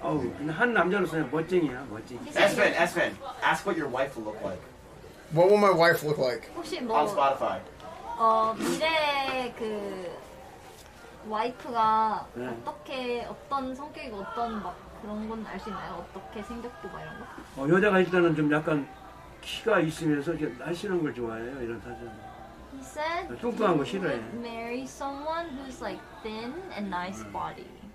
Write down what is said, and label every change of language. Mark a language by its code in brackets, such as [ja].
[ko] Oh, 한 남자로서는 멋쟁이야, 멋쟁이. [en] S-Fan, S-Fan, ask what your wife will look like. What will my wife look like? [ko] 혹시 뭐, [en] on Spotify. [ko] 미래 그 와이프가 네. 어떻게 어떤 성격이고 어떤 막 그런 건 알 수 있나요? 어떻게 생겼고 막 이런 거? 여자가 일단은 좀 약간 키가 있으면서 이렇게 날씬한 걸 좋아해요, 이런 사진. [en] He said, [ko] "뚱뚱한 거 싫어해." [en] Would marry someone who's like thin and nice body.